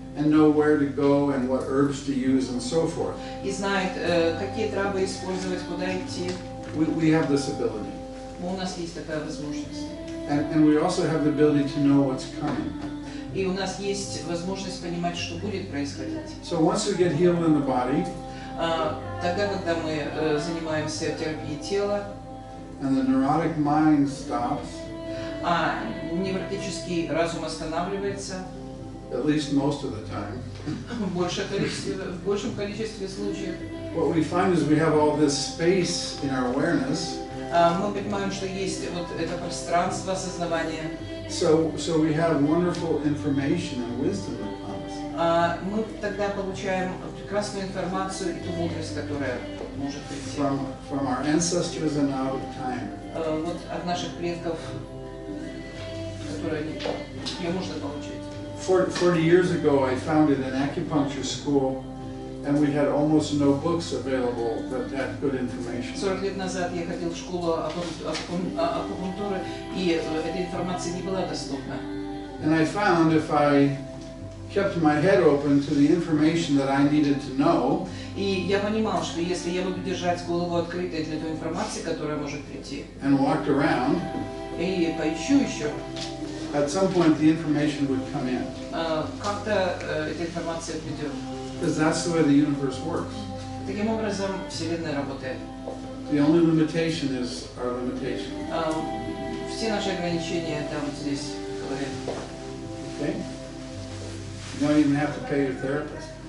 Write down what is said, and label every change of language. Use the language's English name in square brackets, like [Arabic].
[English] And know where to go and what herbs to use and so forth. [Russian] И знает, какие травы использовать, куда идти. [English] We have this ability. [Russian] У нас есть такая возможность. [English] And we also have the ability to know what's coming. [Russian] И у нас есть возможность понимать, что будет происходить. [English] So once we get healed in the body. [Russian] Тогда, когда мы занимаемся терапией тела. [English] And the neurotic mind stops. [Russian] А невротический разум останавливается. [English] At least most of the time. [Russian] в большем количестве случаев. [English] What we find is we have all this space in our awareness. [Russian] Мы понимаем, что есть вот это пространство осознавания. [English] So we have wonderful information and wisdom that comes. [Russian] Мы тогда получаем прекрасную информацию и ту мудрость, которая может прийти. [English] From our ancestors and out of time. [Russian] Вот от наших предков, которые можно получить. [English] 40 years ago I founded an acupuncture school and we had almost no books available that had good information. [Russian] 40 лет назад я ходил в школу акупунктуры и этой информации не была доступна. [English] And I found if I kept my head open to the information that I needed to know. [Russian] И я понимал, что если я буду держать голову открытой для той информации, которая может прийти. [English] And walked around. [Russian] И поищу еще. [English] At some point the information would come in. [Russian] Как-то эта информация придет. [English] Because that's the way the universe works. [Russian] Таким образом Вселенная работает. [English] The only limitation is our limitation. [Russian] Все наши ограничения там вот здесь говорят. [English] Okay. You don't even have to pay your therapist.